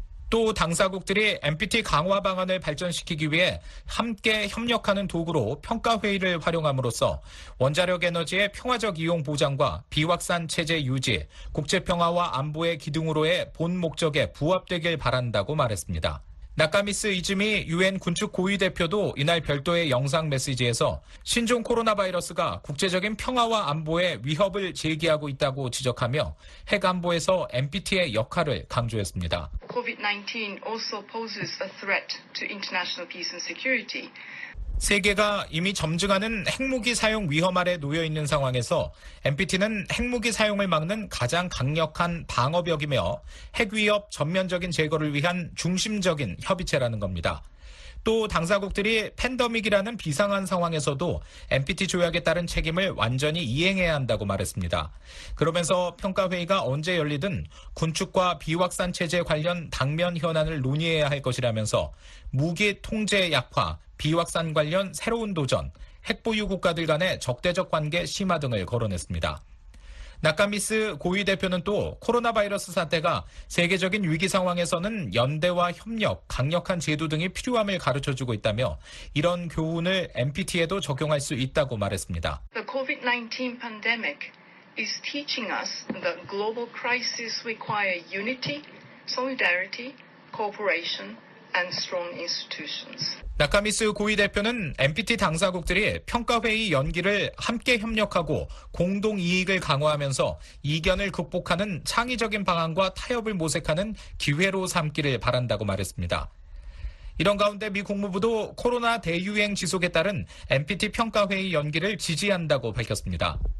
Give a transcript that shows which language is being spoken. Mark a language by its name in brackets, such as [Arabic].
[Korean] 또 당사국들이 NPT 강화 방안을 발전시키기 위해 함께 협력하는 도구로 평가회의를 활용함으로써 원자력 에너지의 평화적 이용 보장과 비확산 체제 유지, 국제평화와 안보의 기둥으로의 본 목적에 부합되길 바란다고 말했습니다. 나카미스 이즈미 유엔 군축 고위 대표도 이날 별도의 영상 메시지에서 신종 코로나 바이러스가 국제적인 평화와 안보에 위협을 제기하고 있다고 지적하며 핵 안보에서 NPT의 역할을 강조했습니다. [English] COVID-19 also poses a threat to international peace and security. [Korean] 세계가 이미 점증하는 핵무기 사용 위험 아래 놓여 있는 상황에서 NPT는 핵무기 사용을 막는 가장 강력한 방어벽이며 핵 위협 전면적인 제거를 위한 중심적인 협의체라는 겁니다. 또 당사국들이 팬데믹이라는 비상한 상황에서도 NPT 조약에 따른 책임을 완전히 이행해야 한다고 말했습니다. 그러면서 평가회의가 언제 열리든 군축과 비확산 체제 관련 당면 현안을 논의해야 할 것이라면서 무기 통제 약화, 비확산 관련 새로운 도전, 핵보유 국가들 간의 적대적 관계 심화 등을 거론했습니다. 나카미스 고위 대표는 또 코로나 바이러스 사태가 세계적인 위기 상황에서는 연대와 협력, 강력한 제도 등이 필요함을 가르쳐주고 있다며 이런 교훈을 NPT에도 적용할 수 있다고 말했습니다. [English] The COVID-19 pandemic is teaching us that global crises require unity, solidarity, cooperation, and strong institutions. [Korean] 나카미스 고위 대표는 NPT 당사국들이 평가회의 연기를 함께 협력하고 공동 이익을 강화하면서 이견을 극복하는 창의적인 방안과 타협을 모색하는 기회로 삼기를 바란다고 말했습니다. 이런 가운데 미 국무부도 코로나 대유행 지속에 따른 NPT 평가회의 연기를 지지한다고 밝혔습니다.